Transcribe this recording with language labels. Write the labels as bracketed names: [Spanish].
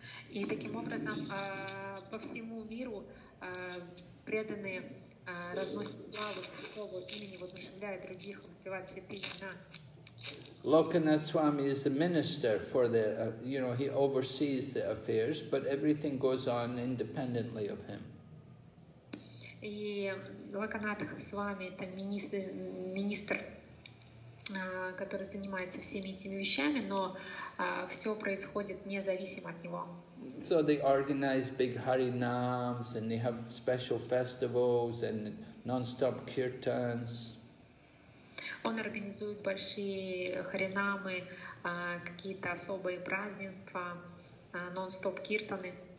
[Russian] И таким образом по всему миру преданные разносят славу святого имени, воодушевляя других воспевать святые имена. [English] Lokanath Swami is the minister for the, he oversees the affairs, but everything goes on independently of him. [Russian] И Локанатх Свами — это министр, который занимается всеми этими вещами, но все происходит независимо от него. [English] So they organize big Harinams, and they have special festivals and non-stop kirtans. [Russian] Он организует большие харинамы, какие-то особые празднества, non-stop kirtany.